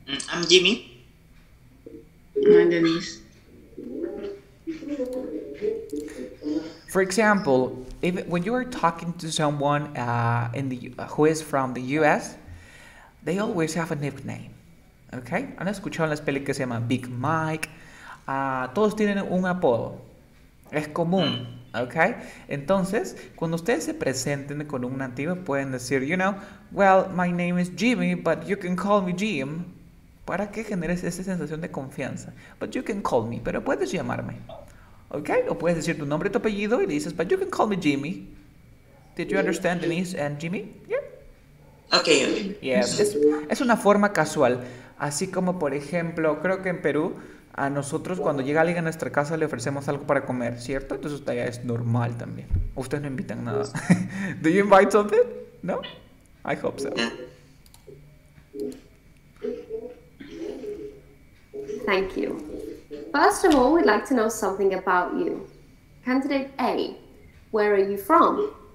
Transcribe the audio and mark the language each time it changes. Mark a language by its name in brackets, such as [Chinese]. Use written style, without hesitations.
[English] I'm Jimmy. I'm Denise. For example, if when you are talking to someone in the who is from the U.S., they always have a nickname. Okay? [Spanish] ¿Han escuchado en las pelis que se llama Big Mike? Todos tienen un apodo. Es común. Okay? Entonces, cuando ustedes se presenten con un nativo, pueden decir, [English] you know, well, my name is Jimmy, but you can call me Jim. [Spanish] ¿Para qué generes esa sensación de confianza? [English] But you can call me. [Spanish] Pero puedes llamarme. Okay? O puedes decir tu nombre y tu apellido y le dices, [English] but you can call me Jimmy. Did you understand, Denise and Jimmy? Yeah? Okay. [Spanish] Yeah. Es una forma casual. Así como, por ejemplo, creo que en Perú, a nosotros cuando llega alguien a nuestra casa le ofrecemos algo para comer, ¿cierto? Entonces ya es normal también. Ustedes no invitan nada. [English] Do you invite something? No? I hope so. Thank you. First of all, we'd like to know something about you. Candidate A, where are you from?